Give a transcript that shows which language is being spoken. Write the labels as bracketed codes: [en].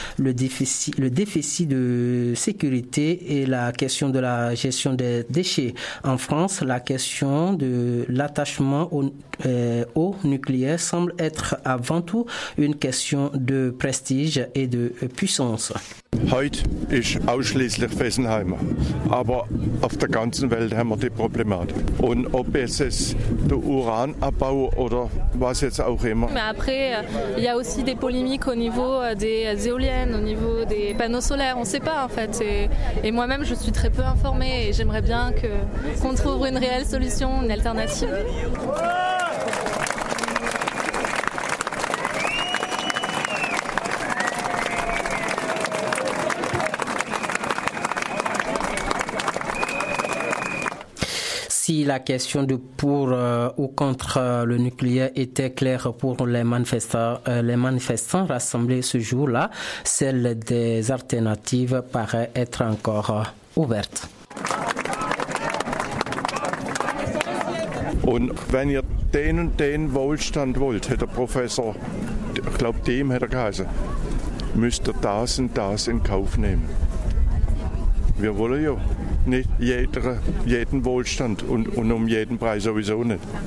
[fr] Le déficit de sécurité et la question de la gestion des déchets. En France, la question de l'attachement au nucléaire semble être avant tout une question de prestige et de puissance. [de] Heute ist ausschließlich Fessenheim, aber auf der ganzen Welt haben wir die Problematik. Und ob es ist der Uranabbau oder was jetzt auch immer. [fr] Mais après, il y a aussi des polémiques au niveau des éoliennes, au niveau des panneaux solaires. On ne sait pas en fait. Et moi-même, je suis très peu informée. Et j'aimerais bien qu'on trouve une réelle solution, une alternative. Si la question de pour ou contre le nucléaire était claire pour les manifestants rassemblés ce jour-là, celle des alternatives paraît être encore ouverte. [de] Und wenn ihr den und den Wohlstand wollt, hat der Professor, ich glaube, dem hat geheißen, müsst ihr das und das in Kauf nehmen. Wir wollen ja nicht jeden Wohlstand und um jeden Preis sowieso nicht.